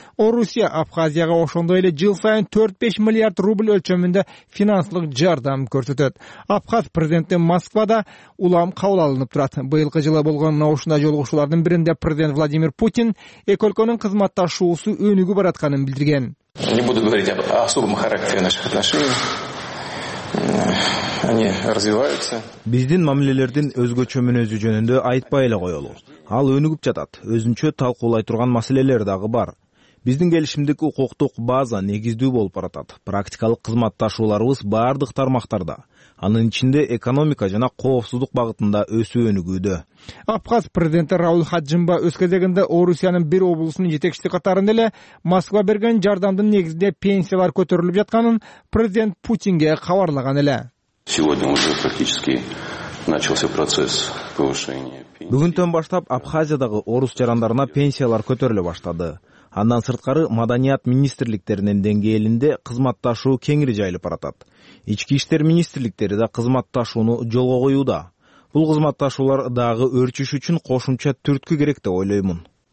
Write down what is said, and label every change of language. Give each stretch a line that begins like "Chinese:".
Kyrgyz: Орусия Абхазияга ошондой эле жыл сайын 4-5 миллиард рубль өлчөмүндө финансылык жардам көрсөтөт. Абхаз президенти Москвада улам кабыл алынып турат. Быйылкы жылы болгон мына ушундай жолугушуулардын биринде президент Владимир Путин эки өлкөнүн кызматташуусу өнүгү баратканын билдирген.
Russian: Не буду говорить об особом характере наших отношений. Они развиваются.
Kyrgyz: Биздин мамилелердин өзгөчө мүнөзү жөнүндө айтпай эле коёлу. Ал өнүгүп жатат. Өзүнчө талкуулай турган маселелер дагы бар. Биздин келишимдик укуктук база негиздүү болуп баратат. Практикалык кызматташууларыбыз бардык тармактарда. Анын ичинде экономика жана коопсуздук багытында өсүү өнүгүүдө. Абхаз президенти Рауль Хаджимба өз кезегинде Орусиянын бир облусунун жетекчиси катарында эле Москва берген жардамдын негизинде пенсиялар көтөрүлүп жатканын президент Путинге кабарлаган эле.
Russian: Сегодня уже практически начался процесс повышения.
Kyrgyz: Бүгүнтөн баштап Абхазиядагы орус жарандарына пенсиялар көтөрүлө баштады. Андан сырткары маданият министрликтеринин деңгээлинде кызматташуу кеңири жайылып баратат. Ички иштер министрликтери да кызматташууну жолго коюуда. Бул кызматташуулар дагы өрчүш үчүн кошумча түрткү керек деп ойлоймун.